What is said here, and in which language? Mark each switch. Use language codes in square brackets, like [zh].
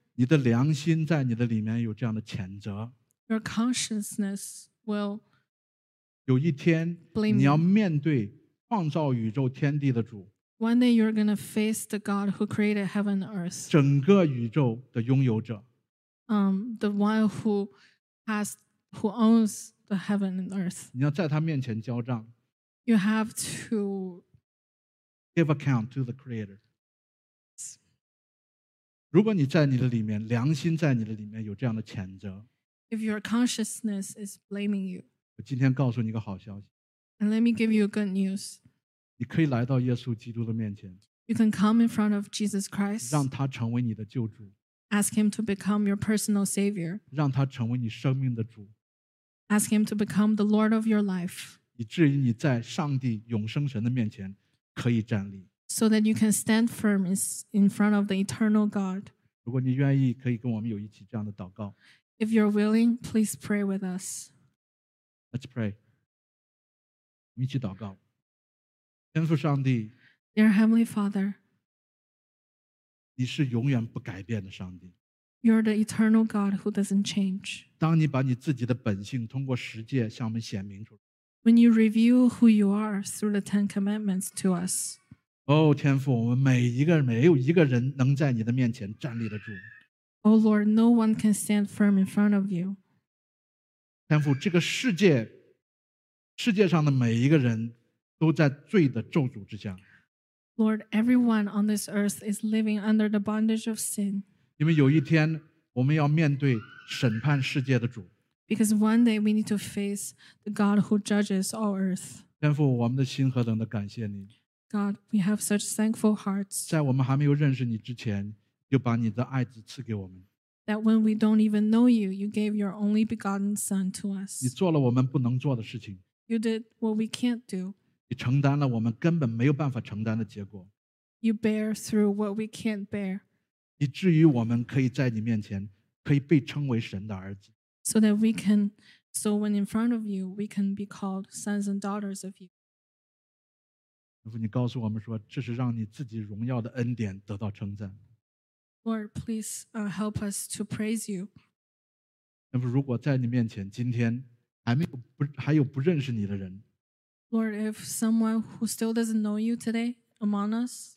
[zh] 你的良心在你的里面有这样的谴责。 [en] Your consciousness will blame. [zh] 有一天你要面对创造宇宙天地的主。 [en] One day you're going to face the God who created heaven and earth. [zh] 整个宇宙的拥有者。 [en] The one who owns the heaven and earth. [zh] 你要在他面前交账。 [en] You have to give account to the creator. [zh] 如果你在你的里面，良心在你的里面有这样的谴责。 [en] If your consciousness is blaming you. [zh] 我今天告诉你一个好消息。 [en] And let me give you good news. [zh] 你可以来到耶稣基督的面前。 [en] You can come in front of Jesus Christ. [zh] 让他成为你的救主。 [en] Ask him to become your personal savior. [zh] 让他成为你生命的主。 [en] Ask him to become the Lord of your life. [zh] 以至于你在上帝永生神的面前可以站立。 [en] So that you can stand firm in front of the eternal God. [zh] 如果你愿意，可以跟我们有一起这样的祷告。 [en] If you're willing, please pray with us. Let's pray. [zh] 我们一起祷告。天父上帝。 [en] Dear Heavenly Father. [zh] 你是永远不改变的上帝。 [en] You're the eternal God who doesn't change. [zh] 当你把你自己的本性通过十诫向我们显明出来。 [en] When you reveal who you are through the Ten Commandments to us. [zh] 哦、oh, 天父我们每一个人没有一个人能在你的面前站立得住。 [en] Oh Lord, no one can stand firm in front of you. [zh] 天父，这个世界上的每一个人都在罪的咒诅之下。 [en] Lord, everyone on this earth is living under the bondage of sin. [zh] 因为有一天我们要面对审判世界的主。 [en] Because one day we need to face the God who judges all earth. [zh] 天父，我们的心何等的感谢你。 [en] God, we have such thankful hearts. [zh] 在我们还没有认识你之前，就把你的爱子赐给我们。 [en] That when we don't even know you, you gave your only begotten Son to us. [zh] 你做了我们不能做的事情。 [en] You did what we can't do. [zh] 你承担了我们根本没有办法承担的结果。 [en] You bear through what we can't bear. [zh] 以至于我们可以在你面前，可以被称为神的儿子。 [en] So that we can, so when in front of you, we can be called sons and daughters of you. [zh] 你告诉我们说，这是让你自己荣耀的恩典得到称赞。 [en] Lord, please help us to praise you. [zh] 那么如果在你面前今天还有不认识你的人， [en] Lord, if someone who still doesn't know you today among us,